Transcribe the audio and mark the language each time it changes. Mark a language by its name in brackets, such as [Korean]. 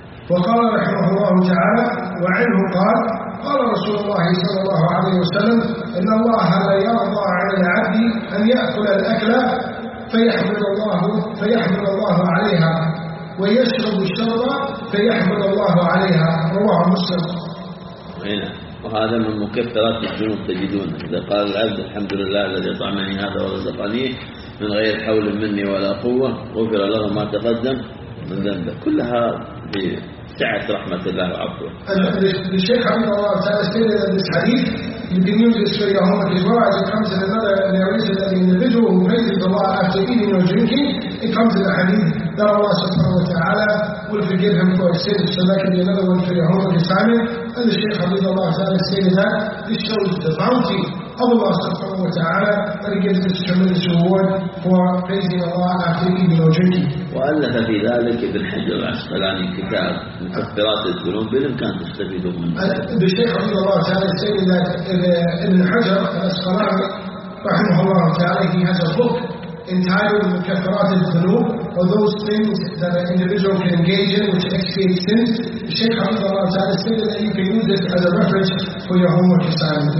[Arabic] وقال رحمه الله تعالى وعنه قال قال رسول الله صلى الله عليه وسلم إن الله لا يرضى عن العبد أن يأكل الأكل فيحمد الله عليها ويشرب الشرب فيحمد الله عليها رواه مسلم. هنا وهذا من مكفرات الذنوب تجدون إذا قال العبد الحمد لله الذي طعمني هذا ورزقني من غير حول مني ولا قوة غفر له ما تقدم من ذنبه كلها في سعة رحمة الله وعفوه. [English] الشيخ عبد الله تعالى stated that this hadith you can use this for your homework as well as it comes in another narration that the individual who praises Allah after eating or drinking it comes in the hadith that Allah subhanahu wa ta'ala will forgive him for his sins so that can be another one for your homework assignment. And the Shaykh عبد الله تعالى stated that this shows the bounty of Allah subhanahu wa ta'ala that he gives this tremendous reward for praising Allah after eating or drinking. وألف في ذلك ابن حجر العسقلاني كتاب مكفرات الذنوب بالإمكان تستفيدوا منه. الشيخ رحمه الله تعالى stated that ابن حجر العسقلاني رحمه الله تعالى he has a book entitled مكفرات الذنوب or those things that an individual can engage in which expiate sins. الشيخ رحمه الله تعالى stated that you can use this as a reference for your homework assignment.